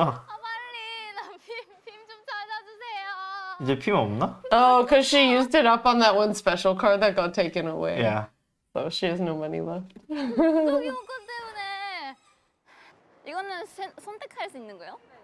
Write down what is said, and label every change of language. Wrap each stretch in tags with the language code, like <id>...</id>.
<ko>아 빨리 나 빔 좀 찾아주세요. 이제 빔 없나?</ko> <en>Oh, cause she used it up on that one special card that got taken away. Yeah. So she has no money left.</en> <ko>저기 온 때문에 이거는 선택할 수 있는 거예요?</ko>